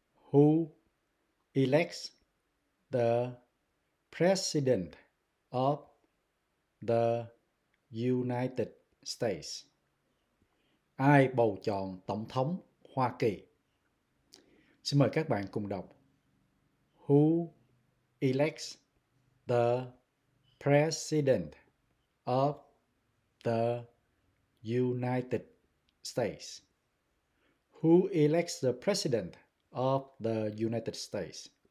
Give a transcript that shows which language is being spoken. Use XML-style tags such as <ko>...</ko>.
<en>Who elects the President of the United States?</en> <vi>Ai bầu chọn Tổng thống Hoa Kỳ? Xin mời các bạn cùng đọc.</vi> <en>Who elects the President of the United States? Who elects the President of the United States?</en>